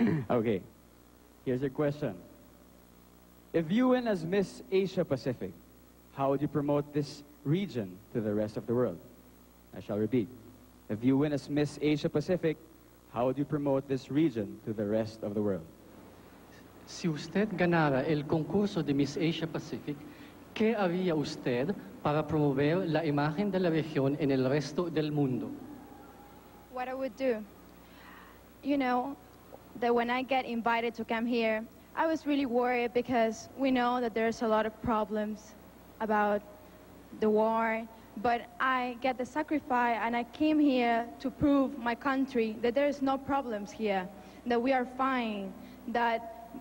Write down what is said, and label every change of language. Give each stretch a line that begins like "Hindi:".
English: Okay. Here's your question. If you win as Miss Asia Pacific, how would you promote this region to the rest of the world? I shall repeat. If you win as Miss Asia Pacific, how would you promote this region to the rest of the world?
Spanish: Si usted ganara el concurso de Miss Asia Pacific, ¿qué haría usted para promover la imagen de la región en el resto del mundo?
English: What I would do, you know, that when I get invited to come here,I was really worried because we know that there's a lot of problems about the war, but I get the sacrifice and I came here to prove my country that there is no problems here, that we are fine, that